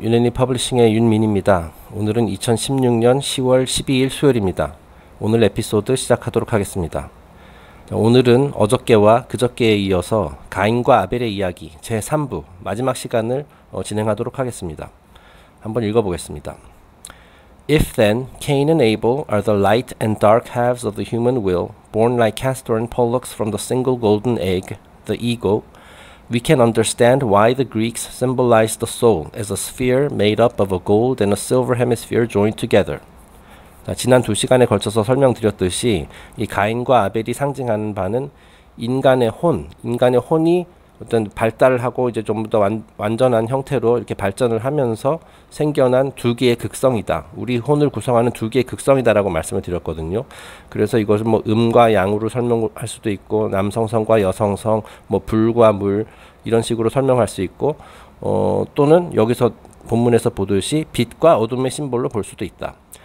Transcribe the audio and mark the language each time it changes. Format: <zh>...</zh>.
<ko>유네니 퍼블리싱의 윤민입니다. 오늘은 2016년 10월 12일 수요일입니다. 오늘 에피소드 시작하도록 하겠습니다. 오늘은 어저께와 그저께에 이어서 가인과 아벨의 이야기 제3부 마지막 시간을 진행하도록 하겠습니다. 한번 읽어보겠습니다.</ko> <en>If then Cain and Abel are the light and dark halves of the human will, born like Castor and Pollux from the single golden egg, the ego, we can understand why the Greeks symbolized the soul as a sphere made up of a gold and a silver hemisphere joined together.</en> <ko>지난 2시간에 걸쳐서 설명드렸듯이 이 가인과 아벨이 상징하는 바는 인간의 혼이 어떤 발달을 하고 이제 좀더 완전한 형태로 이렇게 발전을 하면서 생겨난 두 개의 극성이다. 우리 혼을 구성하는 두 개의 극성이다라고 말씀을 드렸거든요. 그래서 이것을 뭐 음과 양으로 설명할 수도 있고, 남성성과 여성성, 뭐 불과 물 이런 식으로 설명할 수 있고, 또는 여기서 본문에서 보듯이 빛과 어둠의 심볼로 볼 수도 있다.</ko>